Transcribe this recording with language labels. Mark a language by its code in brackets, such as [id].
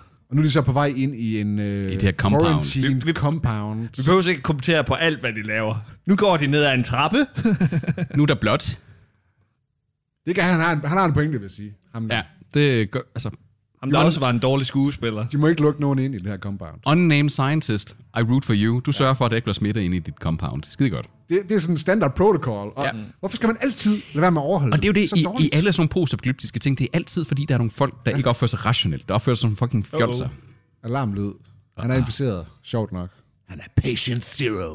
[da] Og nu er de så på vej ind i en [en] quarantined compound. [da] Vi behøver ikke kommentere på alt, hvad de laver. Nu går de ned ad en trappe. Nu er der blot. Det kan han har en pointe, vil jeg sige. Ham ja, det går, altså. Ham der også var en dårlig skuespiller. De må ikke lukke nogen ind i det her compound. [en] Unnamed scientist, I root for you. [da] Du sørger for, at det ikke bliver smittet ind i dit compound. Skide godt. Det er sådan en standard protocol. Og ja. Hvorfor skal man altid lade være med at overholde det? Og det er jo det, i alle sådan postapokalyptiske ting, det er altid, fordi der er nogle folk, der ikke opfører sig rationelt. Der opfører sig som fucking fjolser. Alarmlyd. Han er inficeret. Sjovt nok. Han er patient zero.